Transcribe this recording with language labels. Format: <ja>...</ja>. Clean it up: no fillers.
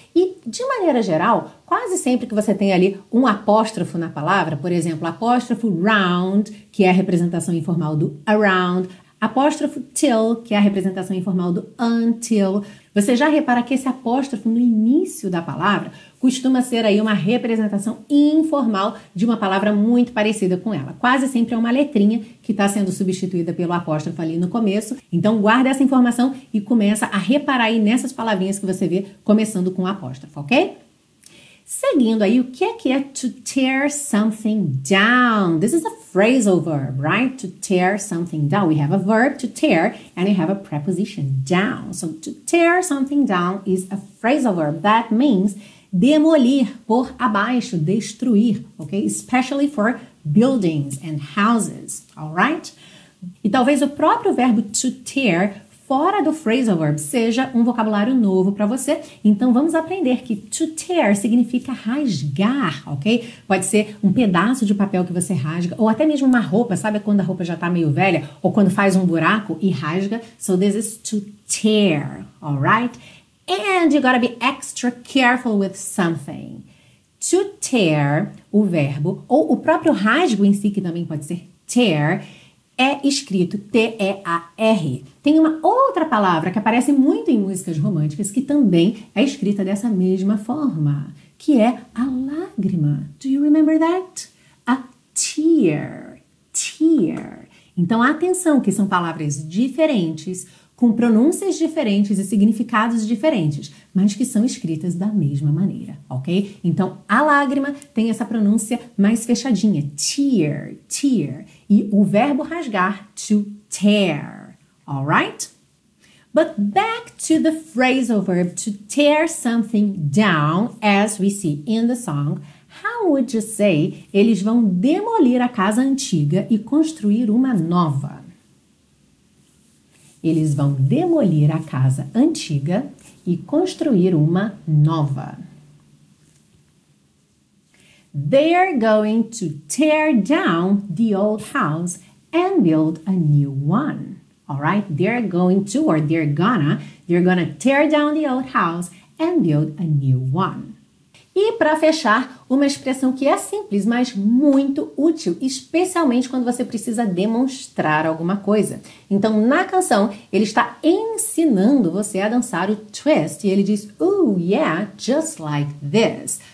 <pt>E, de maneira geral, quase sempre que você tem ali um apóstrofo na palavra, por exemplo, apóstrofo round, que é a representação informal do around, apóstrofo till, que é a representação informal do until, você já repara que esse apóstrofo no início da palavra costuma ser aí uma representação informal de uma palavra muito parecida com ela. Quase sempre é uma letrinha que está sendo substituída pelo apóstrofo ali no começo. Então, guarda essa informação e começa a reparar aí nessas palavrinhas que você vê começando com apóstrofo, ok? Seguindo aí, o que é</pt> <en>to tear something down? This is a phrasal verb, right? To tear something down. We have a verb to tear and we have a preposition down. So, to tear something down is a phrasal verb. That means</en> <pt>demolir, pôr abaixo, destruir, ok?</pt> <en>Especially for buildings and houses, alright?</en> <pt>E talvez o próprio verbo to tear fora do phrasal verb seja um vocabulário novo para você. Então vamos aprender que to tear significa rasgar, ok? Pode ser um pedaço de papel que você rasga, ou até mesmo uma roupa, sabe quando a roupa já tá meio velha? Ou quando faz um buraco e rasga?</pt> <en>So this is to tear, alright? And you gotta be extra careful with something.</en> <pt>To tear, o verbo, ou o próprio rasgo em si, que também pode ser tear, é escrito T-E-A-R. Tem uma outra palavra que aparece muito em músicas românticas que também é escrita dessa mesma forma, que é a lágrima.</pt> <en>Do you remember that? A tear. Tear.</en> <pt>Então, atenção, que são palavras diferentes, com pronúncias diferentes e significados diferentes, mas que são escritas da mesma maneira, ok? Então, a lágrima tem essa pronúncia mais fechadinha, tear, tear, e o verbo rasgar, to tear, alright?</pt> <en>But back to the phrasal verb, to tear something down, as we see in the song, how would you say</en> <pt>eles vão demolir a casa antiga e construir uma nova? Eles vão demolir a casa antiga e construir uma nova.</pt> <en>They're going to tear down the old house and build a new one. All right? They're going to, or they're gonna tear down the old house and build a new one.</en> <pt>E para fechar, uma expressão que é simples, mas muito útil, especialmente quando você precisa demonstrar alguma coisa. Então, na canção, ele está ensinando você a dançar o twist e ele diz,</pt> <en>oh yeah, just like this.</en>